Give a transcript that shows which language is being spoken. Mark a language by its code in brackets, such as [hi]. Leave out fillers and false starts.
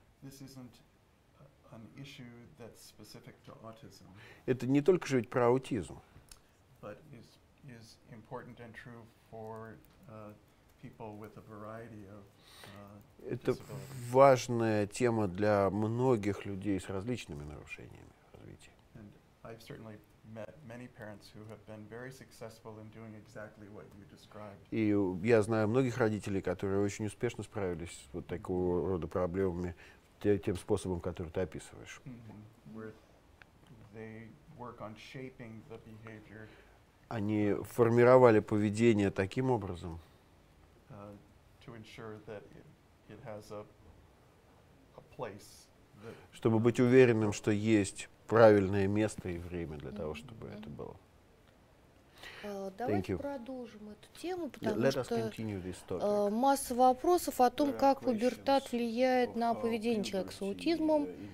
[en] this isn't an issue that's specific to autism. [ru] Это не только же ведь про аутизм. [en] But is important and true for people with a variety of [ru] это важная тема для многих людей с различными нарушениями развития. [en] And I've certainly met many parents who have been very successful in doing exactly what you described. [ru] И я знаю многих родителей, которые очень успешно справились с вот такого рода проблемами тем способом, который ты описываешь. [en] Mm-hmm. Where they work on shaping the behavior. [ru] Они формировали поведение таким образом, [en] to ensure that it has a place that [ru] чтобы быть уверенным, что есть правильное место и время для того, чтобы mm-hmm. это было. Давайте продолжим эту тему, потому что масса вопросов о том, как пубертат влияет на поведение человека с аутизмом.